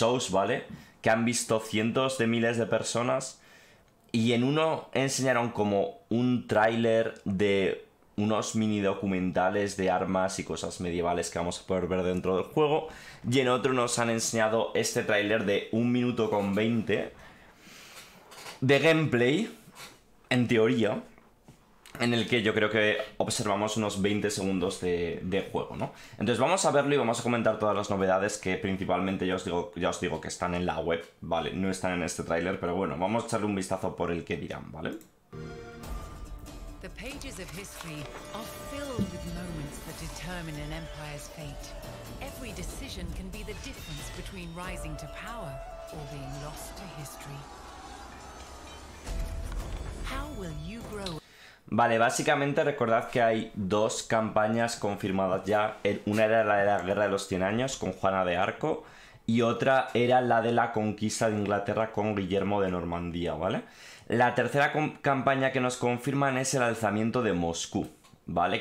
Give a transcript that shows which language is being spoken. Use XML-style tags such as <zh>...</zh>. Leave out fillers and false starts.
<es>¿vale?, que han visto cientos de miles de personas, y en uno enseñaron como un tráiler de unos mini documentales de armas y cosas medievales que vamos a poder ver dentro del juego, y en otro nos han enseñado este tráiler de 1 minuto con 20 de gameplay, en teoría, en el que yo creo que observamos unos 20 segundos de juego, ¿no? Entonces vamos a verlo y vamos a comentar todas las novedades que principalmente ya os digo que están en la web, ¿vale? No están en este tráiler, pero bueno, vamos a echarle un vistazo por el que dirán, ¿vale?</es> <en>The pages of history are filled with moments that determine an empire's fate. Every decision can be the difference between rising to power or being lost to history. How will you grow?</en> <es>Vale, básicamente recordad que hay dos campañas confirmadas ya. Una era la de la Guerra de los 100 Años con Juana de Arco y otra era la de la conquista de Inglaterra con Guillermo de Normandía, ¿vale? La tercera campaña que nos confirman es el alzamiento de Moscú, ¿vale?</es>